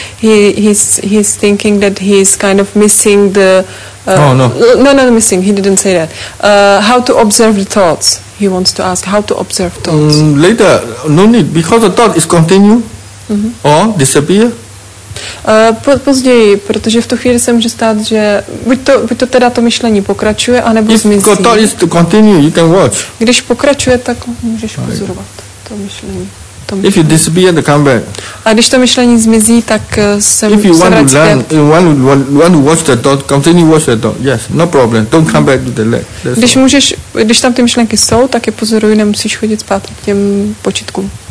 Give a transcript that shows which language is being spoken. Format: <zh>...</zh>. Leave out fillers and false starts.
<en>He's thinking that he's kind of missing the... No, missing, he didn't say that. How to observe the thoughts? He wants to ask how to observe thoughts. Later, no need, because the thought is continue or disappear.</en> <cs>Později, protože v tu chvíli se může stát, že buď to teda to myšlení pokračuje, anebo</cs> <en>if</en> <cs>zmizí.</cs> <en>The thought is to continue, you can watch.</en> <cs>Když pokračuje, tak můžeš pozorovat to myšlení.</cs> <en>If you disappear, then come back.</en> <cs>A když to myšlení zmizí, tak se vrátí.</cs> <en>If you want to learn, want to watch the thought, continue watch the thought. Yes, no problem. Don't come back to the leg.</en> <cs>Když tam ty myšlenky jsou, tak je pozoruj, nemusíš chodit zpátky k těm počítkům.</cs>